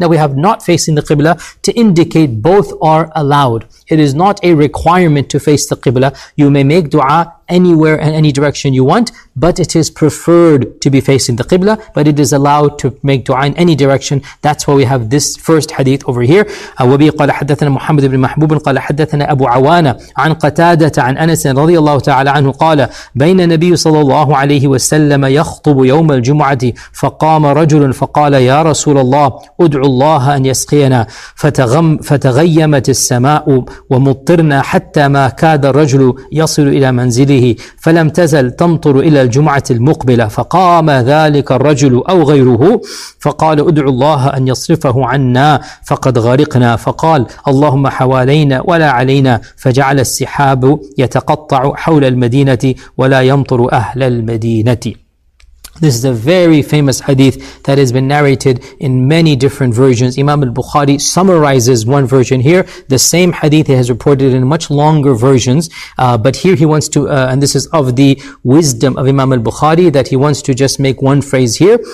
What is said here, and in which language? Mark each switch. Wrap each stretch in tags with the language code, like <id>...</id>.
<en>Right now we have not facing the Qibla to indicate both are allowed. It is not a requirement to face the Qibla. You may make dua anywhere and any direction you want, but it is preferred to be facing the Qibla, but it is allowed to make dua in any direction. That's why we have this first hadith over here.</en> <ar>وَبِي قَالَ حَدَّثَنَا مُحَمَّدُ بْنِ مَحْبُوبٍ قَالَ حَدَّثَنَا أَبُو عَوَانَ عَنْ قَتَادَةَ عَنْ أَنَسٍ رضي الله تعالى عنه قال بين النبي صلى الله عليه وسلم يخطب يوم الجمعة فقام رجل فقال يا رسول الله ادعو الله أن يسقينا فتغيمت السماء ومطرنا حتى ما كاد الرجل يصل إلى منزل فلم تزل تمطر إلى الجمعة المقبلة فقام ذلك الرجل أو غيره فقال ادعوا الله أن يصرفه عنا فقد غرقنا فقال اللهم حوالينا ولا علينا فجعل السحاب يتقطع حول المدينة ولا يمطر أهل المدينة.</ar> <en>This is a very famous hadith that has been narrated in many different versions. Imam al-Bukhari summarizes one version here. The same hadith he has reported in much longer versions. But here he wants to, and this is of the wisdom of Imam al-Bukhari, that he wants to just make one phrase here.</en>